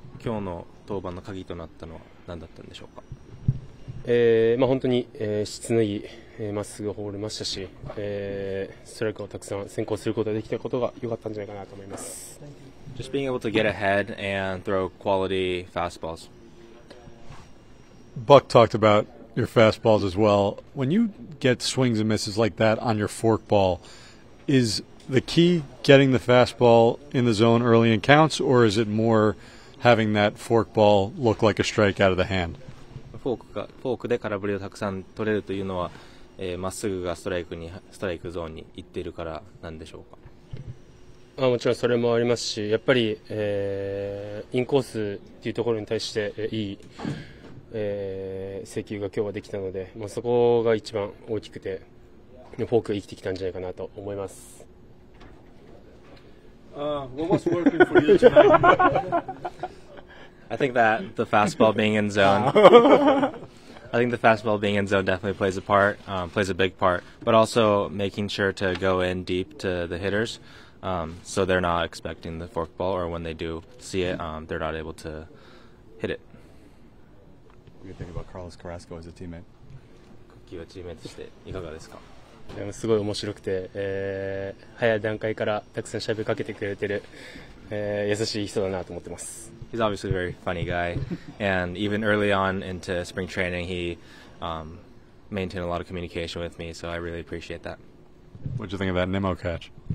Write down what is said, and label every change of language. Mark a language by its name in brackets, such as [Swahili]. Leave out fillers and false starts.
[Japanese] 今日の登板の鍵となったのは何だったんでしょうか。本当に、質のいいまっすぐを放れましたし、ストライクをたくさん先行することができたことが良かったんじゃないかなと思います。 [English] Just being able to get ahead and throw quality fastballs. Buck talked about your fastballs as well. When you get swings and misses like that on your forkball, is the key getting the fastball in the zone early in counts, or is it more having that forkball look like a strike out of the hand [Japanese] フォークで空振りをたくさん取れるというのは、まっすぐがストライクゾーンに行っているからなんでしょうか。もちろんそれもありますし、やっぱり、インコースというところに対して、いい、制球が今日はできたので、まあ、そこが一番大きくてフォークが生きてきたんじゃないかなと思います。 [English] What was working for you tonight? I think that the fastball being in zone, I think the fastball being in zone definitely plays a part, plays a big part, but also making sure to go in deep to the hitters, so they're not expecting the forkball, or when they do see it, they're not able to hit it. What do you think about Carlos Carrasco as a teammate? [Japanese] Cookie はチームメイトとしていかがですか。でもすごい面白くて、早い段階からたくさんしゃべりかけてくれてる、優しい人だなと思ってます。 [English] He's obviously a very funny guy, and even early on into spring training, he maintained a lot of communication with me, so I really appreciate that. What did you think of that Nemo catch?